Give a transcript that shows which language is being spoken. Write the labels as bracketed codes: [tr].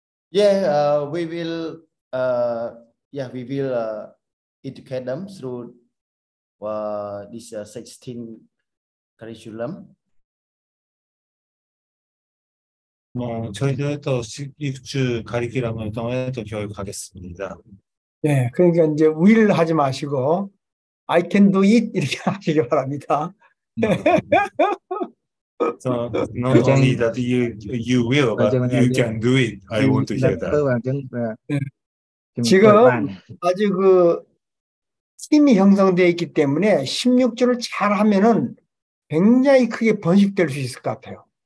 [en] Yeah, we will educate them through this 16 curriculum. [ko] 저희도 또 16주 가리키라는 동안에 또 교육하겠습니다. 네, 그러니까 이제 will 하지 마시고 [en] I can do it [ko] 이렇게 하시기 바랍니다. [en] So not only that you will, but you can do it. I want to hear that. [ko] 지금 아주 그 팀이 형성되어 있기 때문에 16주를 잘 하면은 굉장히 크게 번식될 수 있을 것 같아요.